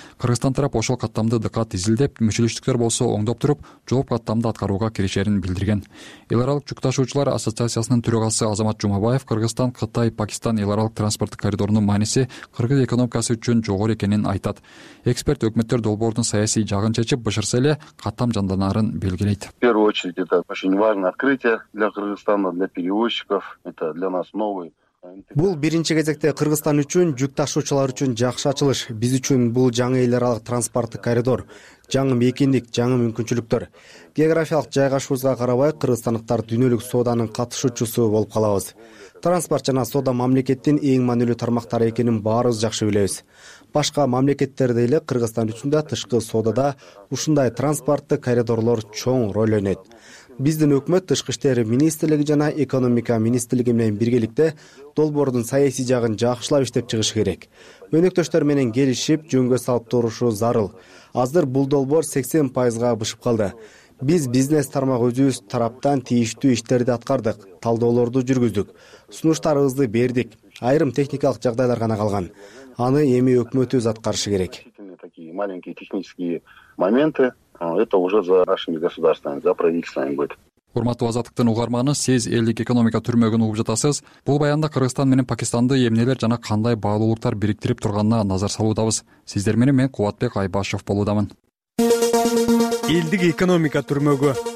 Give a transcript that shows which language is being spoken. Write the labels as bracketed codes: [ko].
[ky] Кыргызстан тарап ошол каттамды дыкат изилдеп, мүчөлүштүктөр болсо оңдоп туруп, жооп каттамды аткарууга киришерин билдирген. Эл аралык жүк ташуучулар ассоциациясынын төрагасы Азамат Жумабаев Кыргызстан, Кытай, Пакистан эл аралык транспорттук коридорунун мааниси кыргыз экономикасы үчүн жогору экенин айтат. Эксперт өкмөттөр долбоордун саясий жагын чечип башырса эле каттам жанданарын белгилейт. [ru] В первую очередь это очень важное открытие для Кыргызстана, для перевозчиков. Это для нас новый. [ky] Бул биринчи кезекте Кыргызстан үчүн, жүк ташуучулар үчүн жакшы ачылыш. Биз үчүн бул жаңы эл аралык транспорттук коридор, жаңы мекендик, жаңы мүмкүнчүлүктөр. Географиялык жайгашуубузга карабай, кыргызстандыктар дүйнөлүк сооданын катышуучусу болуп калабыз. Транспорт жана соода мамлекеттин эң маанилүү тармактары экенин баарыбыз жакшы билебиз. Башка мамлекеттерде эле Кыргызстан үчүн да тышкы соодада ушундай транспорттук коридорлор чоң роль ойнойт. Биздин өкмөт тышкы иштер министрлиги жана экономика министрлиги менен биргеликте долбоордун саясий жагын жакшылап иштеп чыгыш керек. Өнөктөштөр менен келишип, жөнгө салып турушу зарыл. Азыр бул долбоор 80%га бышып калды. Биз бизнес тармак өзүбүз тараптан тийиштүү иштерди аткардык, талдоолорду жүргүздүк, сунуштарыбызды бердик. Айрым техникалык жагдайлар гана калган. Аны эми өкмөтүбүз аткарышы керек. [ru] Маленькие технические моменты. Это уже за нашими государствами, за правительствами будет. [ky] Урматтуу азаттыктын угарманы, сиз элдик экономика түрмөгүн угуп жатасыз. Бул баянда Кыргызстан менен Пакистанды эмнелер жана кандай баалуулуктар бириктирип турганына назар салуудабыз. Сиздер менен мен Кубатбек Айбашев болуудамын. Элдик экономика түрмөгү.